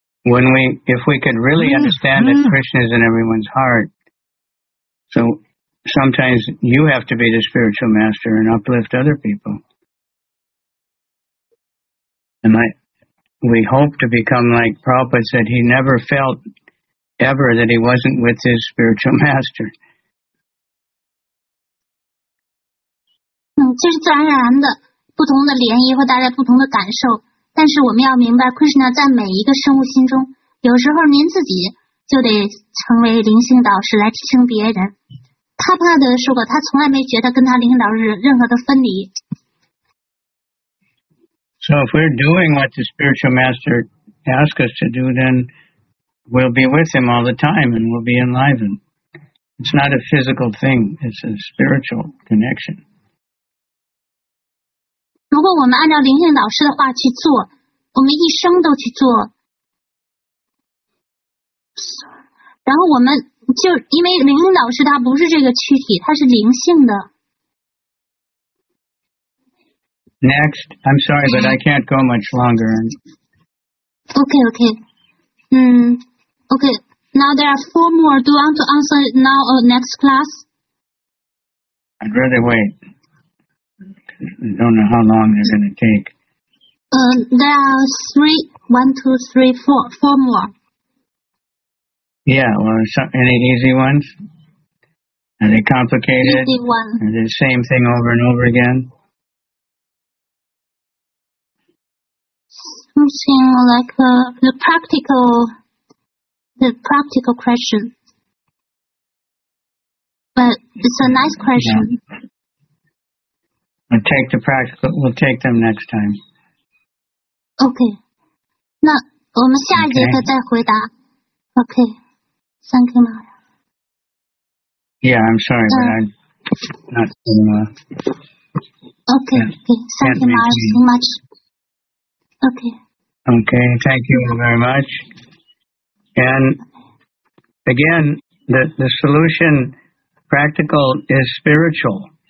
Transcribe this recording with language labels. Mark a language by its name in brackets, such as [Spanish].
[English] If we could really understand that Krishna is in everyone's heart, so sometimes you have to be the spiritual master and uplift other people. We hope to become like Prabhupada said, he never felt ever that he wasn't with his spiritual master. [Chinese] 这是自然而然的，不同的联谊或大家不同的感受。但是我们要明白 Krishna 在每一个生物心中，有时候您自己就得成为灵性导师来提升别人。他帕德说过，他从来没觉得跟他灵性导师任何的分离。 [English] So if we're doing what the spiritual master asks us to do, then we'll be with him all the time and we'll be enlivened. It's not a physical thing, it's a spiritual connection. [Chinese] 如果我们按照灵性导师的话去做，我们一生都去做，然后我们就因为灵性导师他不是这个躯体，他是灵性的。 [English] Next, I'm sorry, but I can't go much longer. Okay. Okay. Now there are four more. Do you want to answer now or next class? I'd rather wait. I don't know how long they're going to take. There are four more. Yeah, well, any easy ones? Are they complicated? Easy one. Are they the same thing over and over again? Something like the practical question. But it's a nice question. Yeah. We'll take them next time. Okay. [Chinese] 那我们下一节课再回答。 [English] Okay. Thank you, Mara. Yeah, I'm sorry, but I'm not doing well. Okay. Thank you, Mara, so much. Okay, thank you very much. And again, the solution, practical, is spiritual.